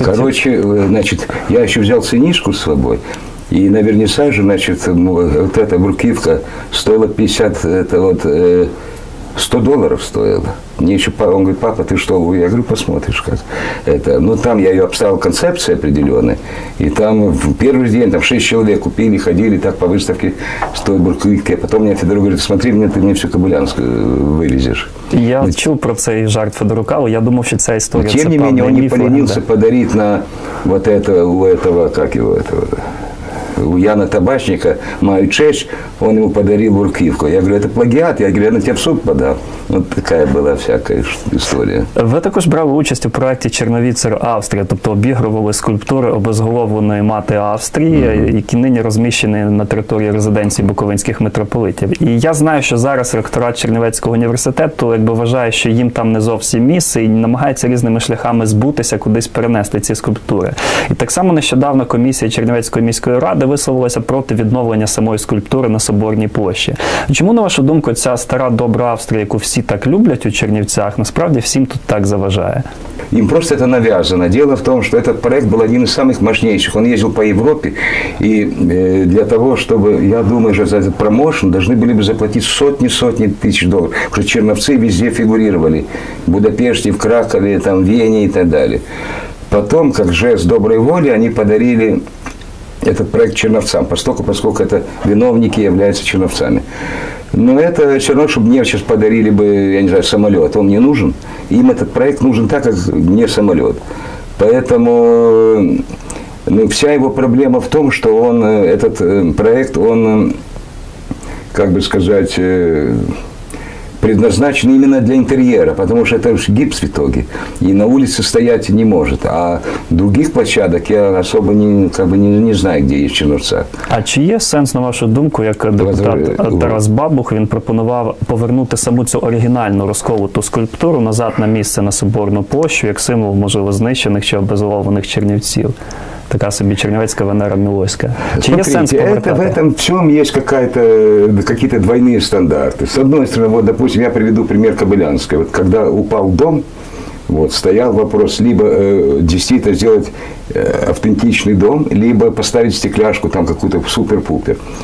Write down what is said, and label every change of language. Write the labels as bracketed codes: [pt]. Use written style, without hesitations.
[ru] Короче, значит, я еще взял сынишку с собой. И на вернисаже, значит, вот эта брукивка стоила 50, это вот, $100 стоила. Мне еще, он говорит, папа, ты что, я говорю, посмотришь, как это. Ну, там я ее обставил концепцией определенной, и там в первый день, там 6 человек купили, ходили так по выставке с той брукивки. Потом мне Федор говорит, смотри, мне ты мне всю Кобылянскую вывезешь. [uk] Я чув про цей жарт Федорука, але я думав, що ця історія, [ru] тем не менее, он не поленился подарить на вот это, у этого, как его, этого, у Яна Табачника, [uk] маю честь, [ru] он ему подарил бурківку. Я говорю, это плагиат, я говорю, я на тебя в суд подам. Вот такая была всякая история. [uk] Ви також брали участь у проєкті «Чорнові цари Австрії», тобто обігрували скульптури обезголовленої мати Австрії, uh-huh. які нині розміщені на території резиденції буковинських митрополитів. І я знаю, що зараз ректорат Чернівецького університету якби вважає, що їм там не зовсім місце і намагається різними шляхами збутися, кудись перенести ці скульптури. І так само нещодавно комісія Чернівецької міської ради висловилася проти відновлення самої скульптури на Соборній площі. Чому, на вашу думку, ця стара добра Австрія, яку всі так люблять у Чернівцях, насправді всім тут так заважає? Їм просто це нав'язано. Діло в тому, що цей проект був один із найважніших. Він їздив по Європі, і для того, щоб, я думаю, що за цей промоушен, повинні були б заплатити сотні-сотні тисяч доларів, тому що черновці везде фігурували. В Будапешті, в Кракові, там, в Вені і так далі. Потім, як жест доброї волі, вони подарили [ru] этот проект черновцам, поскольку это виновники являются черновцами. Но это все равно, чтобы мне сейчас подарили бы, я не знаю, самолет. Он мне нужен. Им этот проект нужен так, как мне самолет. Поэтому ну, вся его проблема в том, что он, этот проект, он, как бы сказать, предназначен именно для интерьера, потому что это же гипс в итоге, и на улице стоять не может. А других площадок я особо не, как бы не знаю, где есть Чернівці. [uk] А чи є сенс, на вашу думку, як депутат Тарас Бабух, він пропонував повернути саму цю оригінальну розколоту скульптуру назад на місце на Соборну площу, як символ, можливо, знищених чи обезголовлених чернівців? Така собі чернівецька Венера Мілоська. Чи є сенс повертати? [ru] В этом чому є какие-то двойные стандарти. [uk] З одної сторони, [ru] вот, допустим, я приведу пример Кобылянської. Вот, когда упав дом, вот, стоял вопрос, либо действительно сделать автентичный дом, либо поставить стекляшку, там какую-то супер-пупер.